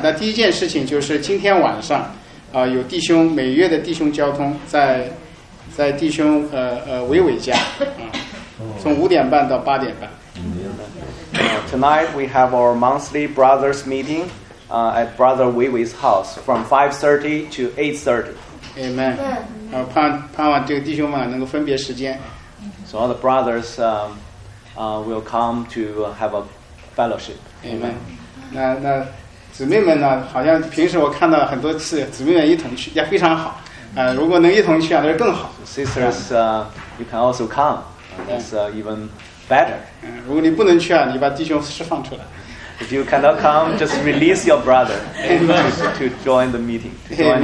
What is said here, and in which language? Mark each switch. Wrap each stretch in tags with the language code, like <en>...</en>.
<zh>那第一件事情就是今天晚上有弟兄每月的弟兄交通在弟兄伟伟家从5:30到8:30。</zh> <en>Tonight we have our monthly brothers meeting at brother Wei Wei's house from 5:30 to 8:30. Amen.</en> <zh>盼望这个弟兄们能够分别时间。</zh> <en>So all the brothers will come to have a fellowship.</en> <zh>Amen. 那姊妹们呢？好像平时我看到很多次姊妹们一同去，也非常好。如果能一同去，那是更好。</zh> <en>Sisters, you can also come. That's even better.</en> <zh>如果你不能去啊，你把弟兄释放出来。</zh> <en>If you cannot come, just release your brother to join the meeting, to join</en>